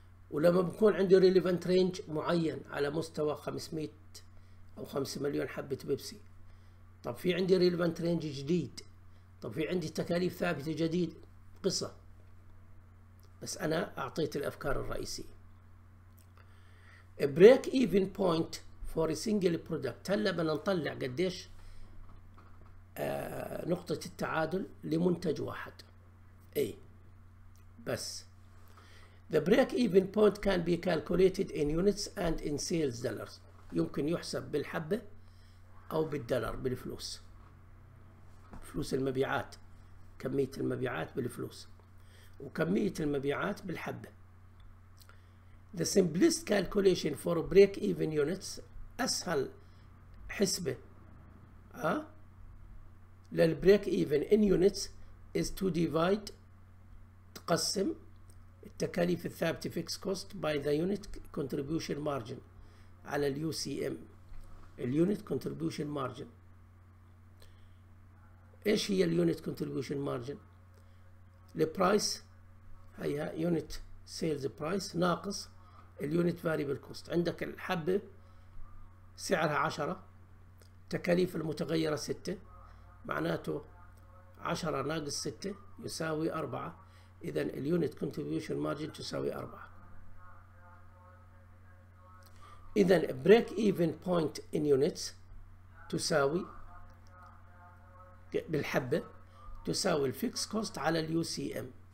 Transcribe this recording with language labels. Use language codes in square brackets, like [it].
[ar] ولما بكون عندي ريليفنت رينج معين على مستوى 500 او 5 مليون حبه بيبسي، طب في عندي ريليفنت رينج جديد، طب في عندي تكاليف ثابته جديد، قصه. بس انا اعطيت الافكار الرئيسيه. بريك ايفن بوينت فور سنجل برودكت، هلا بدنا نطلع قديش نقطه التعادل لمنتج واحد. اي بس [en] The break-even point can be calculated in units and in sales dollars. [ar] يمكن يحسب بالحبة أو بالدولار، بالفلوس، فلوس المبيعات، كمية المبيعات بالفلوس، وكمية المبيعات بالحبة. [en] The simplest calculation for break-even units، [ar] أسهل حسبة [en] للbreak-even in units is to divide، [ar] تقسم التكاليف الثابتة [en] fixed cost by the unit contribution margin على الـ UCM، الـ unit contribution margin. [ar] إيش هي الـ unit contribution margin؟ الـ price، هيها unit sales price ناقص الـ unit variable cost. عندك الحبة سعرها 10، تكاليف المتغيرة 6، معناته 10 ناقص 6 يساوي 4، إذا اليونت كونتريبيوشن مارجن تساوي 4. إذا بريك ايفن بوينت ان يونتس تساوي بالحبة تساوي الفيكس كوست على اليو سي ام.